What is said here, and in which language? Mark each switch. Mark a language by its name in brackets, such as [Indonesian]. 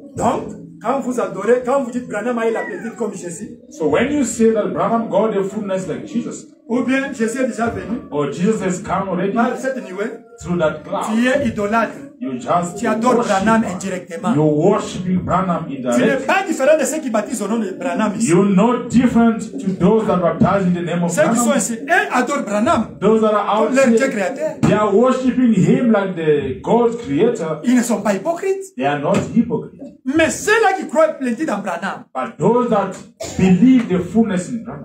[French] Donc, quand vous adorez, quand vous dites Branham a eu la plénitude comme Jésus. [English] So when you say that Branham got the fullness like Jesus. [French] Ou bien Jésus est déjà venu. [English] Or Jesus has come already. [French] Par cette nuée. [English] Through that cloud. [French] Tu es idolâtre. [English] You just [French] tu adores Branham indirectement. [English] You worship Branham indirectly. [French] Tu n'es pas différent de ceux qui baptisent au nom de Branham ici. [English] You're not different to those that baptize in the name of [French] ceux Ceux qui sont ici, ils adorent Branham. [English] Those that are out [French] comme l'Dieu créateur. [English] They are worshiping him like the God creator. [French] Ils ne sont pas hypocrites. [English] They are not hypocrites. [French] Mais ceux-là qui croient plénitude en Branham. [English] But those that believe the fullness in Branham.